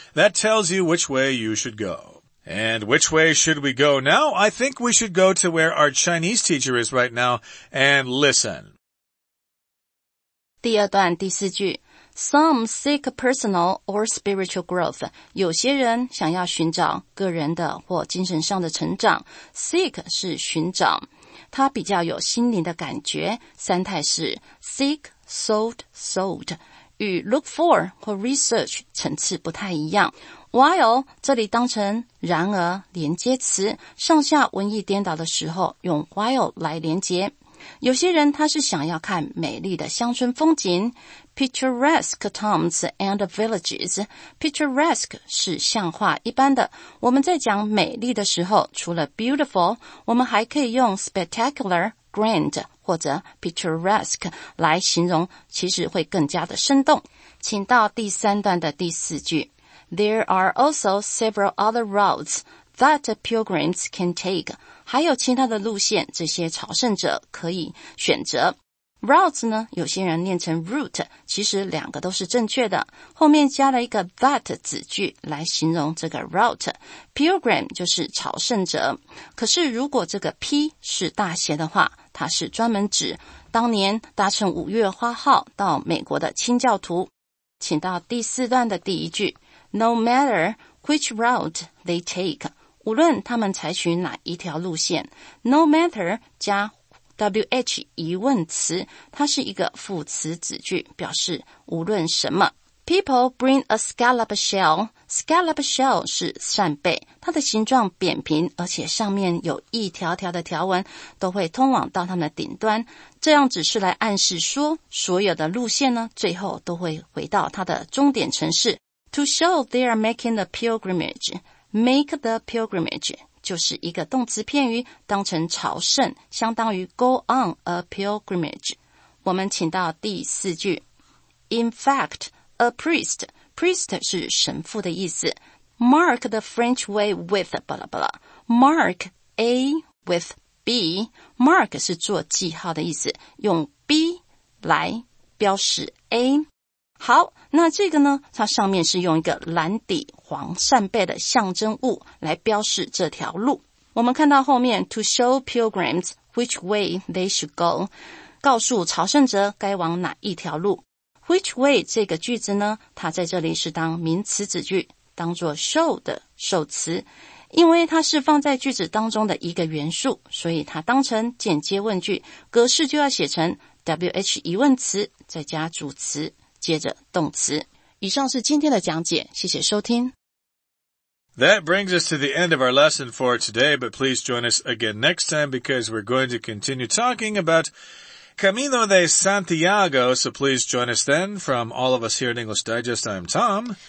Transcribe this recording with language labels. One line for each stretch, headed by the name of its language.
English: That tells you which way you should go. And which way should we go now? I think we should go to where our Chinese teacher is right now and listen.
Chinese: 第二段第四句,
English: some seek personal or spiritual growth.
Chinese: 有些人想要寻找个人的或精神上的成长。Seek 是寻找。它比较有心灵的感觉。三态是
English: seek, sought, sold,
Chinese: 与
English: look for
Chinese: 或 research 层次不太一样。 While 这里当成然而连接词，上下文意颠倒的时候用 while 来连接。有些人他是想要看美丽的乡村风景，
English: picturesque towns and villages.
Chinese: Picturesque 是像话一般的。我们在讲美丽的时候，除了 beautiful, 我们还可以用 spectacular, grand 或者 picturesque 来形容，其实会更加的生动。请到第三段的第四句。
English: There are also several other routes that pilgrims can take.
Chinese: 还有其他的路线，这些朝圣者可以选择。 Routes 呢，有些人念成 route, 其实两个都是正确的。后面加了一个 that 子句来形容这个 route。 Pilgrim 就是朝圣者。可是如果这个 P 是大写的话，它是专门指当年搭乘五月花号到美国的清教徒。请到第四段的第一句。
English: No matter which route they take,
Chinese: 无论他们采取哪一条路线，
English: No matter
Chinese: 加 WH 疑问词，它是一个副词子句，表示无论什么。
English: People bring a scallop shell.
Chinese: Scallop shell 是扇贝，它的形状扁平，而且上面有一条条的条纹，都会通往到它们的顶端。这样只是来暗示说，所有的路线呢，最后都会回到它的终点城市。
English: To show they are making the pilgrimage, make the pilgrimage
Chinese: 就是一个动词片语，当成朝圣，相当于
English: go on a pilgrimage。
Chinese: 我们请到第四句。
English: In fact, a priest, priest
Chinese: 是神父的意思。
English: Mark the French way with blah blah blah. Mark A with B.
Chinese: Mark 是做记号的意思，用 B 来标识 A。好，那这个呢，它上面是用一个蓝底黄扇贝的象征物来标示这条路。我们看到后面
English: to show pilgrims which way they should go,
Chinese: 告诉朝圣者该往哪一条路。 Which way 这个句子呢，它在这里是当名词子句，当作 show 的受词。因为它是放在句子当中的一个元素，所以它当成间接问句，格式就要写成 WH 疑问词再加主词。接着动词。以上是今天的讲解，谢谢收听。
English: That brings us to the end of our lesson for today, but please join us again next time because we're going to continue talking about Camino de Santiago, so please join us then. From all of us here at English Digest, I'm Tom.